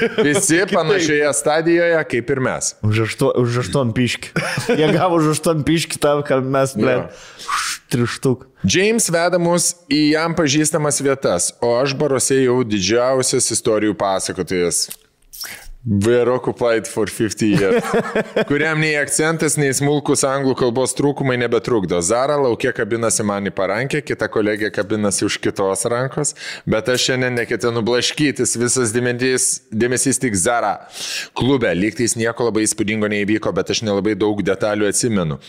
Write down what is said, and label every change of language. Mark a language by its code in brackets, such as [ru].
[lt] Visi panašioje stadijoje, kaip ir mes. Už aštuom piškį. Jie gavo už aštuom piškį tam, kad mes, trištuk. James veda mus į jam pažįstamas vietas, o aš baruose jau didžiausias istorijų pasakotojas. [en] We're occupied for 50 years. [lt] Kuriam nei akcentas, nei smulkus anglų kalbos trūkumai nebetrukdo. Zara laukė kabinasi man į parankę, kita kolegė kabinasi už kitos rankos, bet aš šiandien neketinu blaškytis, visas dėmesys tik Zara. Klube, lygtais nieko labai įspūdingo neįvyko, bet aš nelabai daug detalių atsimenu.